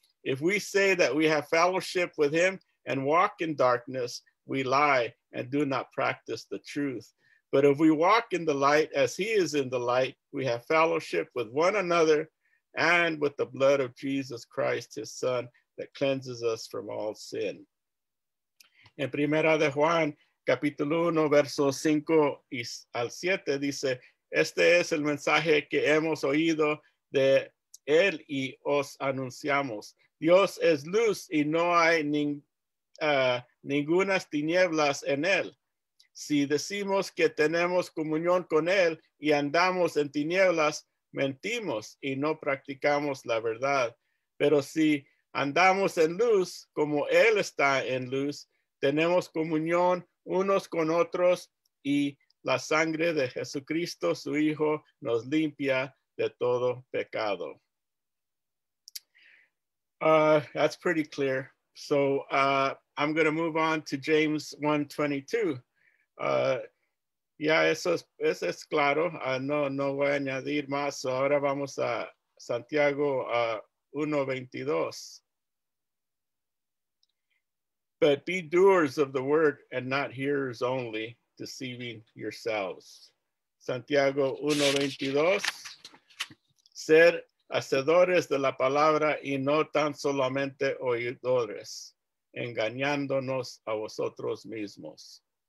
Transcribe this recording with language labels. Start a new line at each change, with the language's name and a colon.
English: If we say that we have fellowship with him and walk in darkness, we lie and do not practice the truth. But if we walk in the light as he is in the light, we have fellowship with one another and with the blood of Jesus Christ, his son, that cleanses us from all sin.
Spanish: En Primera de Juan, capítulo 1, versos 5 al 7, dice, este es el mensaje que hemos oído de él y os anunciamos. Dios es luz y no hay ningunas tinieblas en él. Si decimos que tenemos comunión con él y andamos en tinieblas, mentimos y no practicamos la verdad. Pero si andamos en luz, como él está en luz, tenemos comunión unos con otros, y la sangre de Jesucristo, su Hijo, nos limpia de todo pecado.
English: That's pretty clear. So I'm going to move on to James 1:22.
Spanish: Eso es claro. No voy a añadir más. So ahora vamos a Santiago 1:22.
English: But be doers of the word and not hearers only, deceiving yourselves.
Spanish: Santiago 1:22. Ser hacedores de la palabra y no tan solamente oidores, engañándonos a vosotros mismos.